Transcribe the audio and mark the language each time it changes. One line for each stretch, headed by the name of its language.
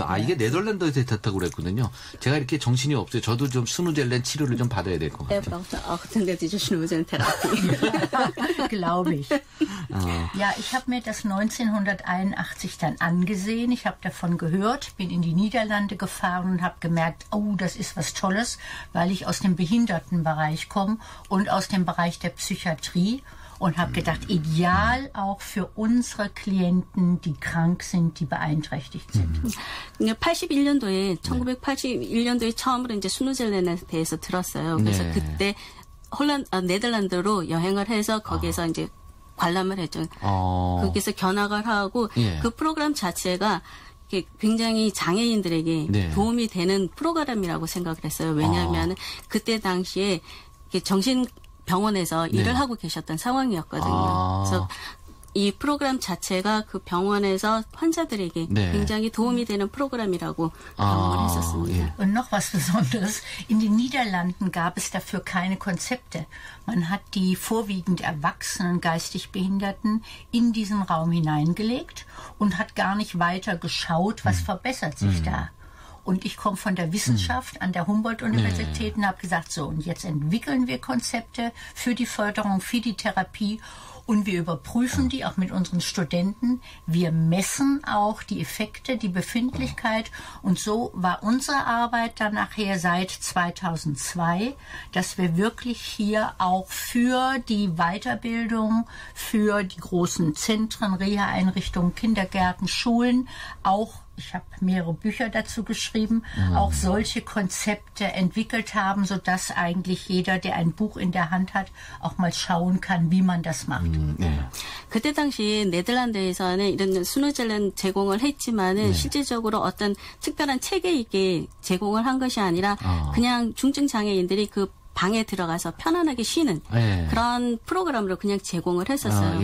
Korean: 아, 이게 네덜란드에서 탔다고 그랬거든요. 제가 이렇게 정신이 없어요. 저도 좀 스노젤렌 치료를 좀 받아야 될 것 같아요. 아, 근데 디저 스노젤렌 테라피.
German: Glaube ich. Ja, ich habe mir das 1981 dann angesehen. Ich habe davon gehört, bin in die Niederlande gefahren und habe gemerkt, oh, das ist was Tolles. Weil ich aus dem Behindertenbereich komme und aus dem Bereich der Psychiatrie und habe gedacht, ideal auch für unsere Klienten, die krank sind, die beeinträchtigt sind.
Korean: 81년도에 1981년도에 처음으로 이제 스노젤렌에 대해서 들었어요. 그래서 네. 그때 네덜란드로 여행을 해서 거기에서 이제 관람을 했죠. 거기서 견학을 하고 예. 그 프로그램 자체가 굉장히 장애인들에게 네. 도움이 되는 프로그램이라고 생각을 했어요. 왜냐하면 그때 당시에 정신병원에서 일을 네. 하고 계셨던 상황이었거든요. 그래서 이 프로그램 자체가 그 병원에서 환자들에게 네. 굉장히 도움이 되는 프로그램이라고 경험을 했었습니다. 예.
German: Und noch was Besonderes. In den Niederlanden gab es dafür keine Konzepte. Man hat die vorwiegend erwachsenen geistig Behinderten in diesen Raum hineingelegt und hat gar nicht weiter geschaut, was verbessert sich da. Und ich komme von der Wissenschaft an der Humboldt-Universität und habe gesagt, so, und jetzt entwickeln wir Konzepte für die Förderung, für die Therapie. Und wir überprüfen die auch mit unseren Studenten. Wir messen auch die Effekte, die Befindlichkeit. Und so war unsere Arbeit dann nachher seit 2002, dass wir wirklich hier auch für die Weiterbildung, für die großen Zentren, Reha-Einrichtungen, Kindergärten, Schulen auch ich habe mehrere Bücher dazu geschrieben, auch solche Konzepte entwickelt haben, sodass eigentlich jeder, der ein Buch in der Hand hat, auch mal schauen kann, wie man das macht.
Korean: 네. 그때 당시 네덜란드에서는 이런 스누젤렌 제공을 했지만은 네. 실질적으로 어떤 특별한 체계 있게 제공을 한 것이 아니라 그냥 중증 장애인들이 그 방에 들어가서 편안하게 쉬는 예. 그런 프로그램으로 그냥 제공을 했었어요.